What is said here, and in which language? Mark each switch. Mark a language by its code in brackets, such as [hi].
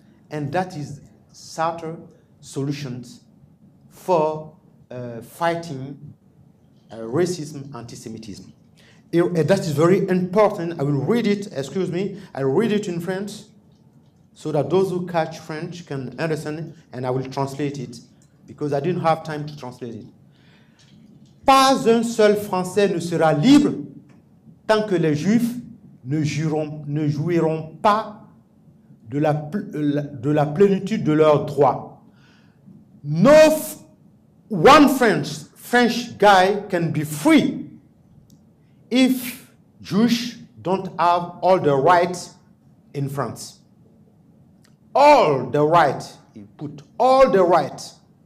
[en] And that is Sartre's solutions for fighting racism, anti-Semitism. That is very important. I will read it, excuse me. I'll read it in French so that those who catch French can understand it, and I will translate it because I didn't have time to translate it. [fr] Pas un seul Français ne sera libre tant que les Juifs ne jouiront pas de la plénitude de leurs droits. [en] No one French guy can be free if Jews don't have all the rights in France. All the rights, he put all the rights.